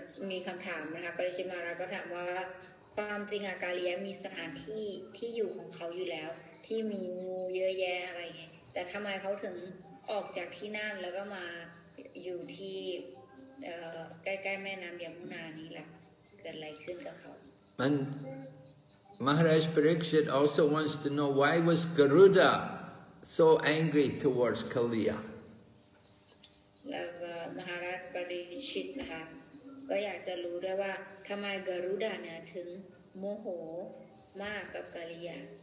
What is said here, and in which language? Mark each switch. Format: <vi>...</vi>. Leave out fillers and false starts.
<th>มีคำถามนะคะปริชิมาราก็ถามว่าความจริงอะกาเลียมีสถานที่ที่อยู่ของเขาอยู่แล้วที่มีงูเยอะแยะอะไรเงี้ยแต่ทำไมเขาถึงออกจากที่นั่นแล้วก็มาอยู่ที่ใกล้ๆแม่น้ำยมุนานี้ล่ะเกิดอะไรขึ้นกับเขา</th> <en>And Maharaj Parikshit also wants to know why was Garuda so angry towards Kaliya</en> <th>แล้วก็มหาราชปริชิตนะคะก็อยากจะรู้ด้วยว่าทำไมกรุดาเนี่ยถึงโมโหมากกับกาลิยา</th>